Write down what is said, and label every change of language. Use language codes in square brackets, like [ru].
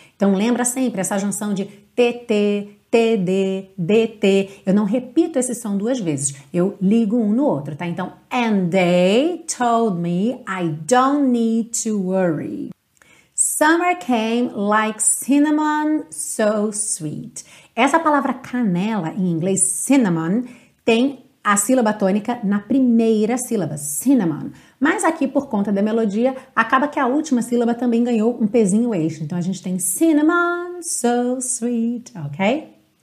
[pt] Então lembra sempre essa junção de TT, TD, DT. Eu não repito esse som duas vezes, eu ligo um no outro, tá? [en] Então, and they told me I don't need to worry. Summer came like cinnamon, so sweet. [pt] Essa palavra canela em inglês, cinnamon, tem a sílaba tônica na primeira sílaba, cinnamon. Mas aqui, por conta da melodia, acaba que a última sílaba também ganhou um pezinho extra. Então, a gente tem cinnamon, so sweet, ok?